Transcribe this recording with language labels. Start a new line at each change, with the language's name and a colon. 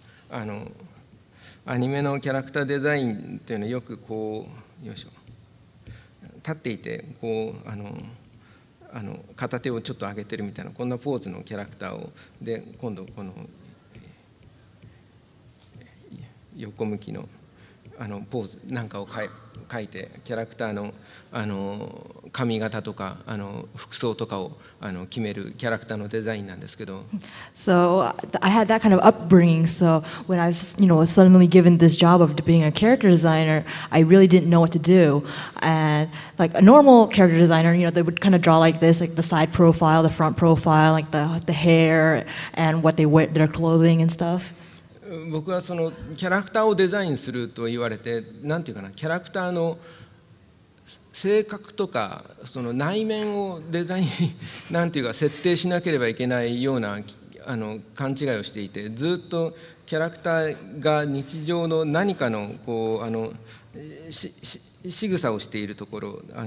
Japanese: あのアニメのキャラクターデザインっていうのはよくこうよいしょ立っていてこうあの片手をちょっと上げてるみたいなこんなポーズのキャラクターをで今度この横向きのあのポーズなんかを描いてキャラクターの、髪型とか服装とかを決めるキャラクターのデザインなんですけど。
English: So I had that kind of upbringing. So when I was, you know, suddenly given this job of being a character designer, I really didn't know what to do. And like a normal character designer, you know, they would kind of draw like this, like the side profile, the front profile, like the hair and what they wear, their clothing and stuff.
Japanese: 僕はそのキャラクターをデザインすると言われて、なんていうかな、キャラクターの性格とかその内面をデザイン、なんていうか設定しなければいけないような勘違いをしていて、ずっとキャラクターが日常の何かのこう仕草をしているところ、